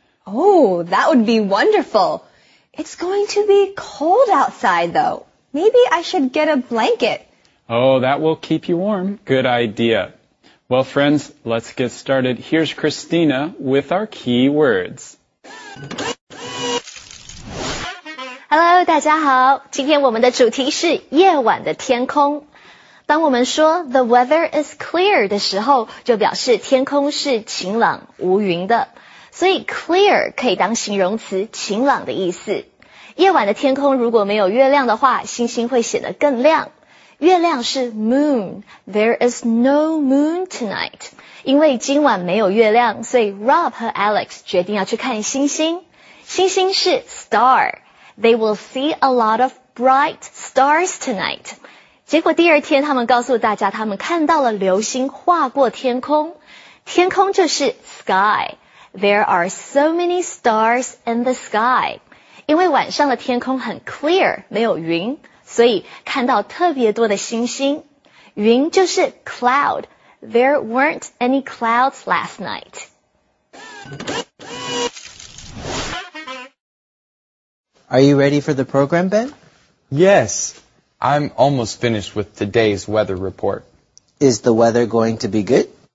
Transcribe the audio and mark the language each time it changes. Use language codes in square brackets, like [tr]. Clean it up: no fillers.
[en] Oh, that would be wonderful. It's going to be cold outside, though. Maybe I should get a blanket. Oh, that will keep you warm. Good idea. Well, friends, let's get started. Here's Christina with our key words. [zh] Hello, 大家好。今天我们的主题是夜晚的天空。当我们说 [en] the weather is clear [zh] 的时候，就表示天空是晴朗无云的。所以 clear 可以当形容词，晴朗的意思。夜晚的天空如果没有月亮的话，星星会显得更亮。月亮是 [en] moon, there is no moon tonight. [zh] 因为今晚没有月亮，所以 Rob 和 Alex 决定要去看星星。星星是 [en] star, they will see a lot of bright stars tonight. [zh] 结果第二天他们告诉大家他们看到了流星划过天空。天空就是 [en] sky, there are so many stars in the sky. [zh] 因为晚上的天空很 clear, 没有云。所以看到特别多的星星，云就是 cloud. [en] There weren't any clouds last night. Are you ready for the program, Ben? Yes, I'm almost finished with today's weather report. Is the weather going to be good?